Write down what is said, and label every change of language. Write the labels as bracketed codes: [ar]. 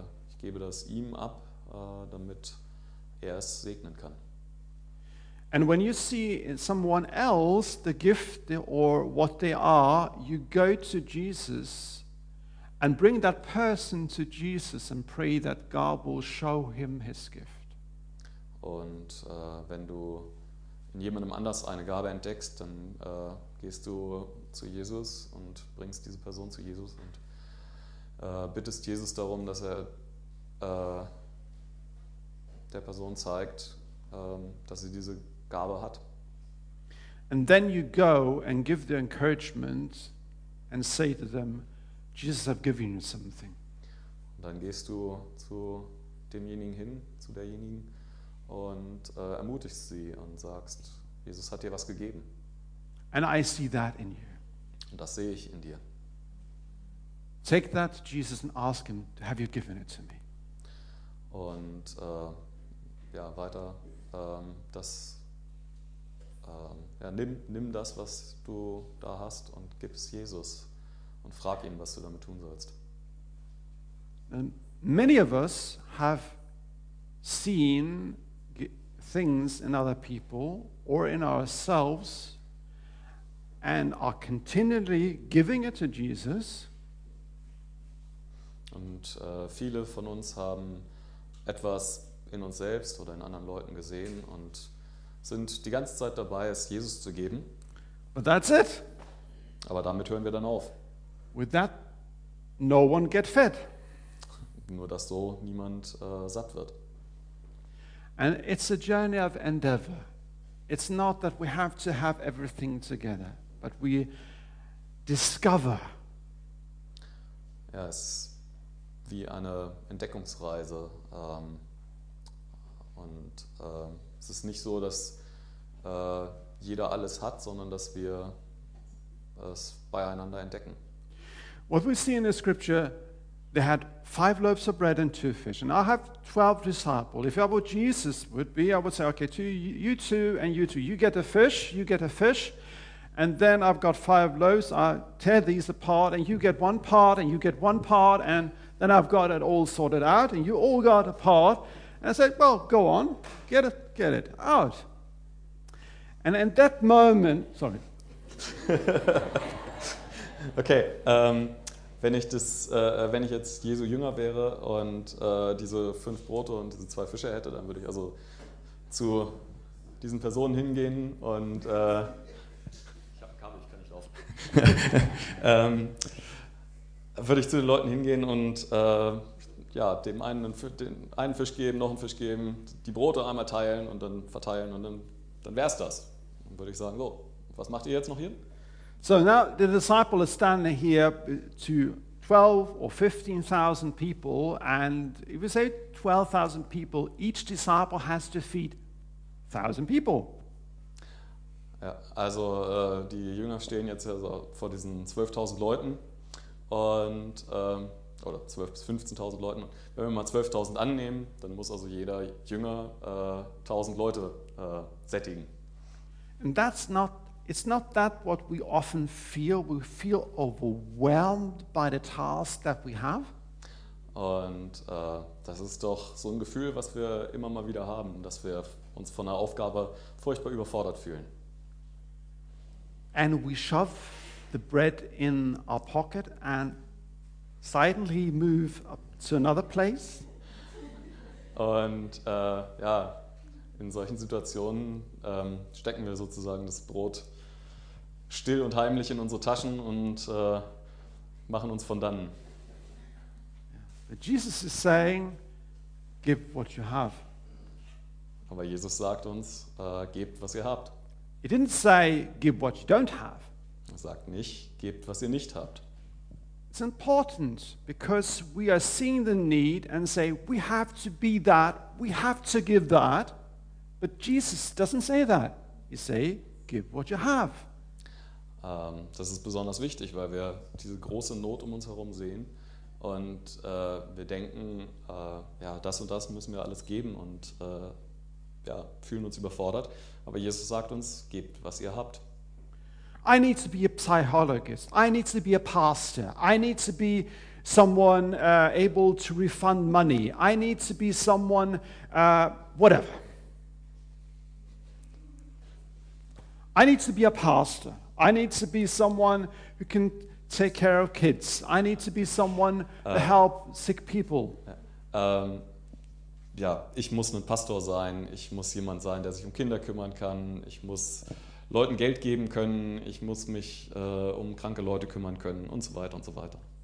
[de] Ich gebe das ihm ab, damit er es segnen kann. [en] And when you see in someone else the gift or what they are, you go to Jesus and bring that person to Jesus and pray that God will show him his gift. [de] Und wenn du in jemandem anders eine Gabe entdeckst, dann gehst du zu Jesus und bringst diese Person zu Jesus und bittest Jesus darum, dass er der Person zeigt, dass sie diese Gabe hat. [en] And then you go and give the encouragement and say to them, Jesus, I've given you something. [de] Und dann gehst du zu demjenigen hin, zu derjenigen und ermutigst sie und sagst, Jesus hat dir was gegeben. [en] And I see that in you. [de] Und das sehe ich in dir. [en] Take that to Jesus and ask him, have you given it to me? [de] Und ja, weiter, das ja, nimm das, was du da hast und gib es Jesus und frag ihn, was du damit tun sollst. [en] And many of us have seen things in other people or in ourselves and are continually giving it to Jesus. [de] Und viele von uns haben etwas in uns selbst oder in anderen Leuten gesehen und sind die ganze Zeit dabei, es Jesus zu geben. [en] But that's it. [de] Aber damit hören wir dann auf. [en] With that, no one get fed. [de] Nur, dass so niemand satt wird. [en] And it's a journey of endeavor. It's not that we have to have everything together, but we discover. [de] Ja, es ist wie eine Entdeckungsreise. Und es ist nicht so, dass jeder alles hat, sondern dass wir es beieinander entdecken. [en] What we see in the scripture, they had 5 loaves of bread and 2 fish. And I have 12 disciples. If I were Jesus would be, I would say, okay, you two, you get a fish, you get a fish. And then I've got 5 loaves, I tear these apart, and you get one part, and you get one part, and then I've got it all sorted out, and you all got a part. And I said, well, go on, get it out. And in that moment, sorry. [de] Okay, wenn ich jetzt Jesu Jünger wäre und diese 5 Brote und diese 2 Fische hätte, dann würde ich also zu diesen Personen hingehen und ich habe ein Kabel, ich kann nicht laufen. würde ich zu den Leuten hingehen und ja, dem einen den einen Fisch geben, noch einen Fisch geben, die Brote einmal teilen und dann verteilen und dann wäre es das. Dann würde ich sagen, so, was macht ihr jetzt noch hier? [en] So now the disciple is standing here to 12 or 15,000 people, and if we say 12,000 people, each disciple has to feed 1,000 people. [de] Ja, also die Jünger stehen jetzt ja so vor diesen 12.000 Leuten und oder 12 bis 15.000 Leuten. Wenn wir mal 12.000 annehmen, dann muss also jeder Jünger 1.000 Leute sättigen. [en] And that's not, it's not that what we often feel. We feel overwhelmed by the task that we have. [de] Und das ist doch so ein Gefühl, was wir immer mal wieder haben, dass wir uns von einer Aufgabe furchtbar überfordert fühlen. [en] And we shove the bread in our pocket and silently move up to another place. [de] Und ja, in solchen Situationen stecken wir sozusagen das Brot still und heimlich in unsere Taschen und machen uns von dannen. [en] But Jesus is saying, give what you have. [de] Aber Jesus sagt uns, gebt, was ihr habt. [en] He didn't say, give what you don't have. [de] Er sagt nicht, gebt, was ihr nicht habt. [en] It's important because we are seeing the need and say, we have to be that, we have to give that. But Jesus doesn't say that. He say, give what you have. [de] Das ist besonders wichtig, weil wir diese große Not um uns herum sehen und wir denken, ja, das und das müssen wir alles geben und ja, fühlen uns überfordert. Aber Jesus sagt uns, gebt, was ihr habt. [en] I need to be a psychologist. I need to be a pastor. I need to be someone able to refund money. I need to be someone whatever. I need to be a pastor. I need to be someone who can take care of kids. I need to be someone to help sick people. [de] Ja, ich muss ein Pastor sein, ich muss jemand sein, der sich um Kinder kümmern kann, ich muss Leuten Geld geben können, ich muss mich um kranke Leute kümmern können und so weiter und so weiter.